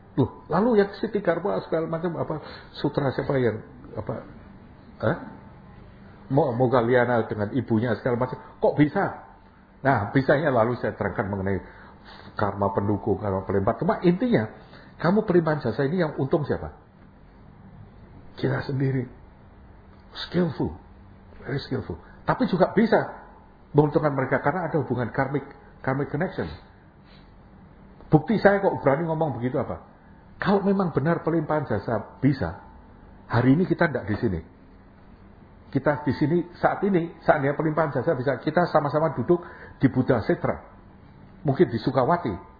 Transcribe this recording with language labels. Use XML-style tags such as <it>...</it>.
<id>Loh, lalu yang Siti Garba segala macam apa sutra siapa yang apa? Mogaliana dengan ibunya segala macam. Kok bisa? Nah, bisanya lalu saya terangkan mengenai karma pendukung, karma pelimpahan. Cuma intinya, kamu pelimpahan jasa ini yang untung siapa? Kita sendiri.</id> <en>Skillful, very skillful.</en> <id>Tapi juga bisa menguntungkan mereka karena ada hubungan karmic connection. Bukti saya kok berani ngomong begitu apa? Kalau memang benar pelimpahan jasa bisa, hari ini kita tidak di sini. Kita di sini saat ini, saatnya pelimpahan jasa bisa, kita sama-sama duduk di Buddha Setra. Mungkin di Sukawati.</id>